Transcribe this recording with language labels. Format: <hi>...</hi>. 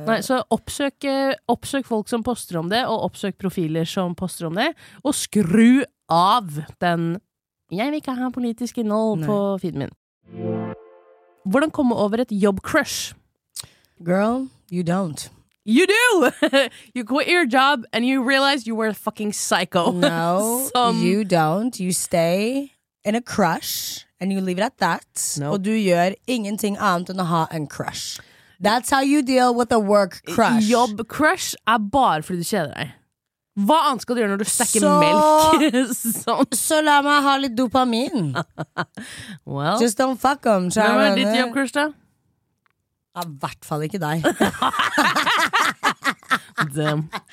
<no>Nei, så oppsøk folk som poster om det, og oppsøk profiler som poster om det, og skru av den «Jeg vil ikke ha politisk innhold» på feeden min. Hvordan kommer over et jobb crush?</no> <en>Girl, you don't. You do! You quit your job and you realize you were a fucking psycho. No, you don't. You stay in a crush and you leave it at that. Nope.</en> <no>Og du gjør ingenting annet enn å ha en crush.</no> <en>That's how you deal with a work crush.</en> <no>Jobb crush er bare fordi du kjeder deg. Hva annet skal du gjøre når du stekker melk? Så la meg ha litt dopamin.</no> <en>Well, just don't fuck them.</en> <no>Hva er ditt jobb, Krista? I hvert fall ikke deg.</no> <en>Damn.</en>